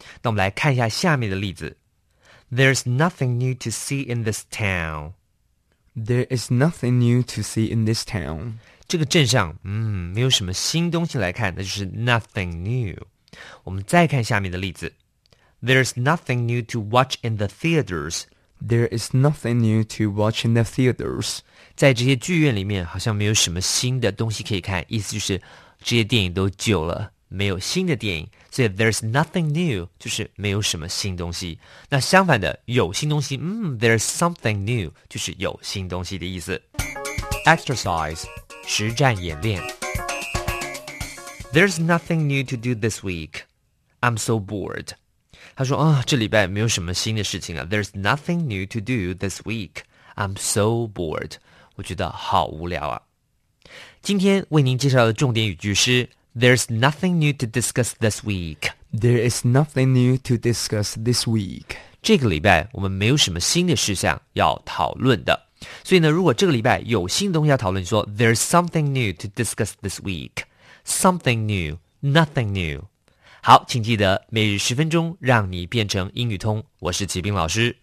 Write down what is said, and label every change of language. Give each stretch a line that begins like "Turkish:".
Chinese: 那我们来看一下下面的例子。
English: There's nothing new to see in this town. There is nothing new to see in this town.
Chinese: 这个镇上，没有什么新东西来看，那就是 nothing new. 我们再看下面的例子。
English: There's nothing new to watch in the theaters. There is nothing new to watch in the theaters.
Chinese: 在这些剧院里面好像没有什么新的东西可以看，意思就是这些电影都旧了，没有新的电影，所以
English: there's nothing new
Chinese: 就是没有什么新东西。那相反的，有新东西，
English: there's something new
Chinese: 就是有新东西的意思。
English: Exercise
Chinese: 实战演练。
English: There's nothing new to do this week. I'm so bored.
Chinese: 他说，这礼拜没有什么新的事情了。
English: There's nothing new to do this week. I'm so bored.
Chinese: 我觉得好无聊啊。今天为您介绍的重点语句是
English: There's nothing new to discuss this week. There is nothing new to discuss this week.
Chinese: 这个礼拜我们没有什么新的事项要讨论的。所以呢，如果这个礼拜有新的东西要讨论，你说
English: There's something new to discuss this week. Something new, nothing new.
Chinese: 好，请记得每日十分钟，让你变成英语通。我是齐兵老师，